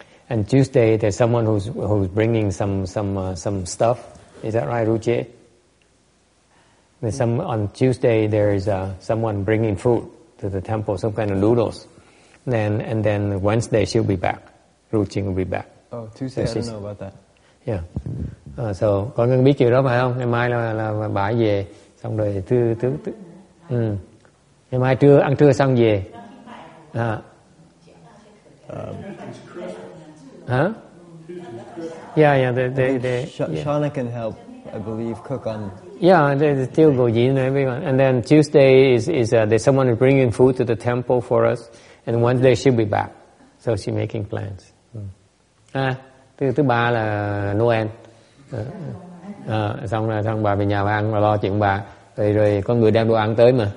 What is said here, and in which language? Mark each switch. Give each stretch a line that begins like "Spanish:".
English: And Tuesday there's someone who's bringing some stuff, is that right, Ruchi? On Tuesday there is someone bringing food to the temple, some kind of noodles. And then Wednesday she'll be back, Ruchi will be back. Oh, Tuesday, I don't know about that. Yeah.
Vietnamese: So, có người biết chuyện đó phải không? Ngày mai là bà ấy về, xong rồi thứ. Ngày mai trưa ăn trưa xong về. À.
English: Huh? Yeah. Shauna can help, I believe, cook on. Yeah, they still go in and everyone. And then Tuesday is there's someone bringing food to the temple for us, and Wednesday she'll be back, so she's making plans.
Vietnamese: Thứ ba là Noel. Xong bà về nhà bà ăn và lo chuyện bà. Rồi có người đem đồ ăn tới mà.